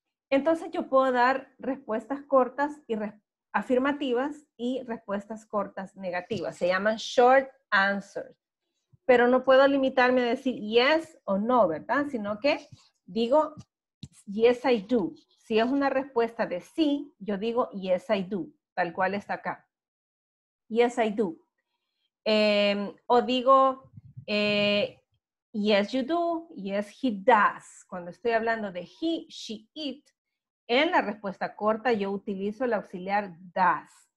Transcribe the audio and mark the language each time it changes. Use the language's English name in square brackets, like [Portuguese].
[Spanish] Entonces yo puedo dar respuestas cortas y afirmativas y respuestas cortas negativas. Se llaman short answers. Pero no puedo limitarme a decir yes o no, ¿verdad? Sino que digo [English] yes I do. [Spanish] Si es una respuesta de sí, yo digo [English] yes I do, [Spanish] tal cual está acá. [English] Yes I do. [Spanish] O digo [English] yes you do, yes he does. [Spanish] Cuando estoy hablando de he, she, it, en la respuesta corta yo utilizo el auxiliar does.